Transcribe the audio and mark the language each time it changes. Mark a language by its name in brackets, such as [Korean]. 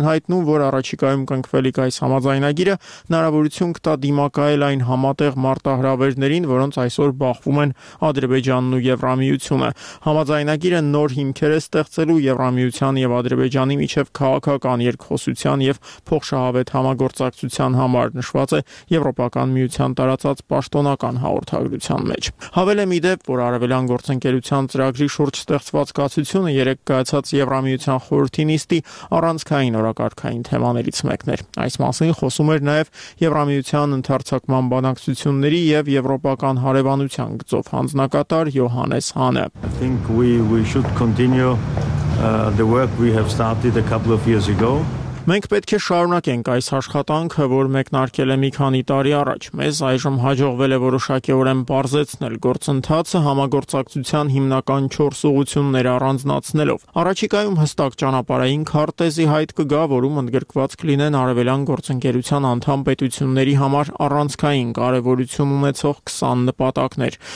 [Armenian] են հայտնում, որ առաջիկայում կընկնվելիք այս համաձայնագիրը հնարավորություն կտա դիմակայել այն համատեղ մարտահրավերներին, որոնց այսօր բախվում են Ադրբեջանն ու Եվրամիությունը։ Համաձայնագիրը նոր հիմքեր է ստեղծելու Եվրամիության և Ադրբեջանի միջև քաղաքական երկխոսության և փոխշահավետ համագործակցության համար, նշված է Եվրոպական Միության տարածած պաշտոնական հաղորդագրության մեջ։ Հավել է մի դեպ, որ Արևելյան գործընկերության ծրագրի շուրջ ստեղծված կացությունը երեկ կայացած Եվրամիության խորհրդի նիստի առանցքային օրակարգային թեմաներից մեկն էր։ Այս մասին խոսում էր նաև Եվրամիության ընդարձակման բանակցությունների և Եվրոպական հարևանության գծով հանձնակատար Յոհանես Հանը։ [English] I think we should continue the work we have started a couple of years ago. [Armenian] Մենք պետք է շարունակենք այս աշխատանքը, որ մեկնարկել է մի քանի տարի առաջ։ Մեզ այժմ հաջողվել է որոշակիորեն պարզեցնել գործընթացը համագործակցության հիմնական 4 ուղղություններ առանձնացնելով։ Առաջիկայում հստակ ճանապարհային քարտեզի հայտ կգա, որում ընդգրկված կլինեն Արևելյան գործընկերության անդամ պետությունների համար առանցքային կարևորություն ունեցող 20 նպատակներ,